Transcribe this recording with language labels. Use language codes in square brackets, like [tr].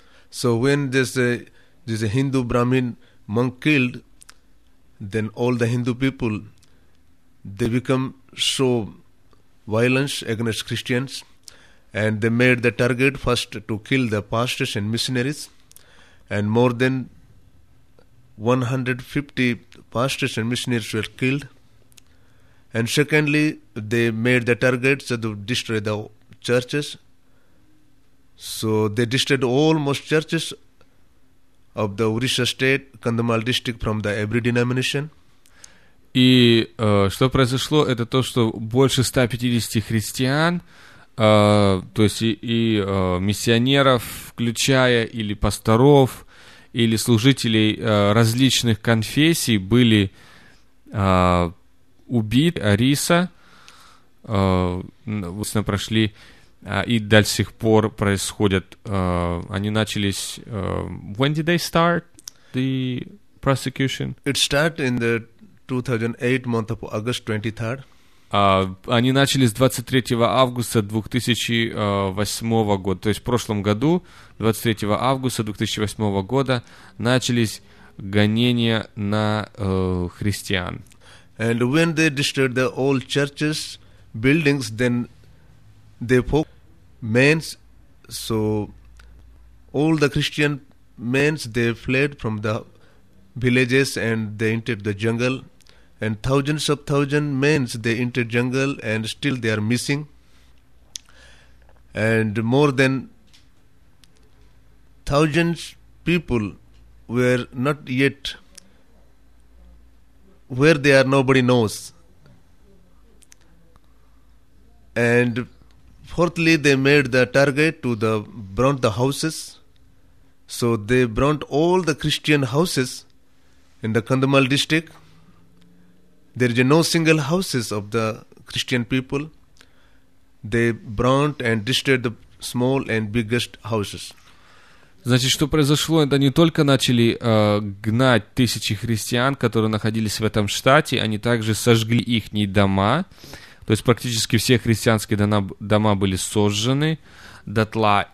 [en] So when this Hindu Brahmin monk killed, then all the Hindu people, they become so violence against Christians, and they made the target first to kill the pastors and missionaries, and more than 150 pastors and missionaries were killed, and secondly they made the target to destroy the churches, so they destroyed almost churches of the Orissa state, Kandamal district, from the every denomination. [ru] И что произошло, это то, что больше 150 христиан, то есть и миссионеров, включая, или пасторов, или служителей различных конфессий, были убиты, Ориса, собственно, прошли, и до сих пор происходят, они начались... [en] When did they start the prosecution? It started in the 2008 month of August 23rd. [ru] Они начали с 23 августа 2008 года, то есть в прошлом году, 23 августа 2008 года, начались гонения на христиан. [en] And when they destroyed the old churches, buildings, then they poked men, so all the Christian men, they fled from the villages and they entered the jungle. And thousands of thousands men, they enter jungle and still they are missing. And more than thousands people were not yet where they are, nobody knows. And fourthly, they made the target to the burn the houses. So they burnt all the Christian houses in the Kandamal district. There is no single houses of the Christian people. They burnt and destroyed the small and biggest houses. [ru] Значит, что произошло? Это не только начали гнать тысячи христиан, которые находились в этом штате, они также сожгли их дома. То есть практически все христианские дома были сожжены дотла.